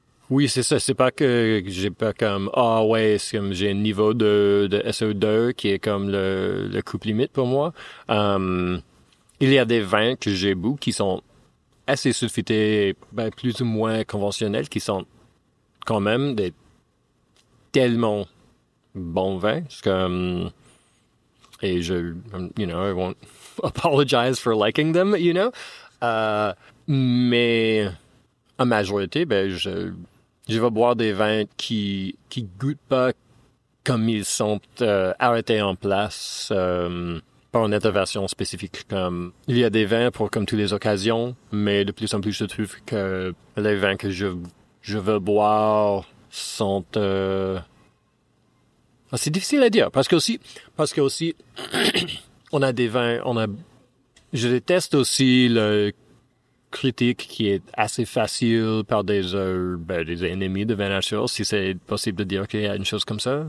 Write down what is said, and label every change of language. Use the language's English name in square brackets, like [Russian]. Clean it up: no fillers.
[French] Oui, c'est ça. C'est pas que j'ai pas comme... Ah, oh, ouais, c'est comme j'ai un niveau de SO2 qui est comme le coupe limite pour moi. Il y a des vins que j'ai bu qui sont assez sulfités, ben, plus ou moins conventionnels, qui sont quand même des tellement bons vins. C'est comme... Et je... [English] You know, I won't apologize for liking them, you know? [French] Mais en majorité, ben, je vais boire des vins qui goûtent pas comme ils sont arrêtés en place par une intervention spécifique. Comme il y a des vins pour comme toutes les occasions, mais de plus en plus je trouve que les vins que je veux boire sont c'est difficile à dire parce que aussi on a des vins, je déteste aussi le critique qui est assez facile par des ennemis de vin naturel, si c'est possible de dire qu'il y a une chose comme ça.